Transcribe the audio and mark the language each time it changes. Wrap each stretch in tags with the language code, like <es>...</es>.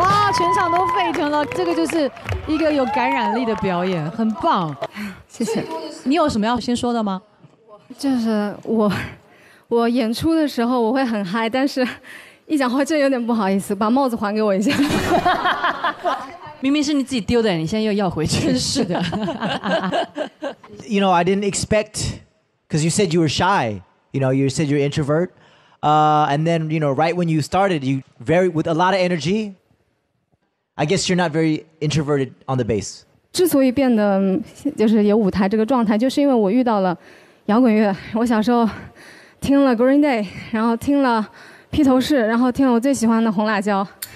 <zh>哇，全场都沸腾了，这个就是一个有感染力的表演，很棒，谢谢。你有什么要先说的吗？就是我演出的时候我会很嗨，但是一讲话真有点不好意思，把帽子还给我一下。明明是你自己丢的，你现在又要回去，真是的。</zh> <en>You know, I didn't expect, because you said you were shy. You know, you said you're introvert. And then, you know, right when you started, you very with a lot of energy. I guess you're not very introverted on the bass.</en> <zh>之所以变得就是有舞台这个状态，就是因为我遇到了摇滚乐。我小时候听了 Green Day， 然后听了披头士，然后听了我最喜欢的红辣椒。</zh>